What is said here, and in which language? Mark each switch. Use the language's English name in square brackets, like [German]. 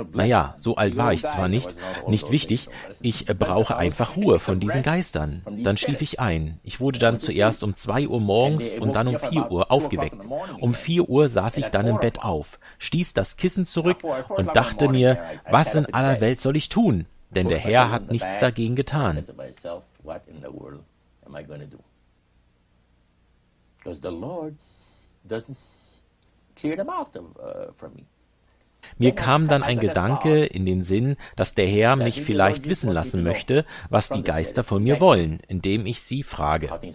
[German] Naja, so alt war ich zwar nicht, nicht wichtig, ich brauche einfach Ruhe von diesen Geistern. Dann schlief ich ein. Ich wurde dann zuerst um 2 Uhr morgens und dann um 4 Uhr aufgeweckt. Um 4 Uhr saß ich dann im Bett auf, stieß das Kissen zurück und dachte mir, was in aller Welt soll ich tun? Denn der Herr hat nichts dagegen getan. [English] What in the world am I going to do? Because the Lord doesn't clear them out from me. [German] Mir kam dann ein Gedanke in den Sinn, dass der Herr mich vielleicht wissen lassen möchte, was die Geister von mir wollen, indem ich sie frage.